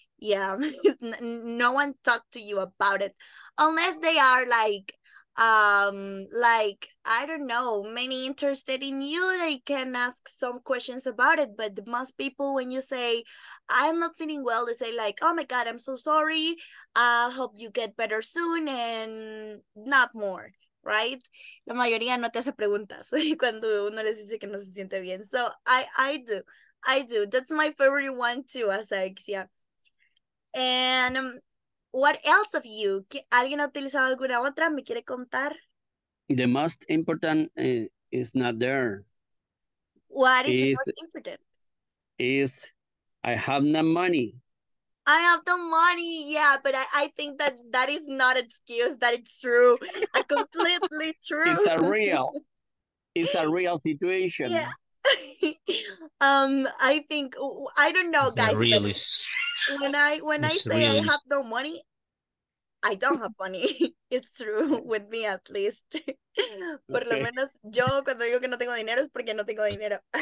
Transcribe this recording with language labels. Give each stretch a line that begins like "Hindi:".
English: Yeah, no one talk to you about it unless they are like I don't know, many interested in you, they can ask some questions about it. But most people, when you say I'm not feeling well, they say like, oh my God, I'm so sorry, I hope you get better soon, and not more, right?
Spanish: La mayoría no te hace preguntas cuando uno les dice que no se siente bien.
English: So I do. That's my favorite one too, Asaixia. And what else of you?
Spanish: ¿Alguien ha utilizado alguna otra? ¿Me quiere contar?
English: The most important is not there. What is the most important? Is I have no money. I have no money. Yeah, but I think that is not an excuse. That it's true. Completely true. It's a real situation. Yeah. I think I don't know, guys. Really, when I say really. I have no money, I don't have money. It's true with me at least.
Spanish: Por lo menos yo cuando digo que no tengo dinero es porque no tengo dinero.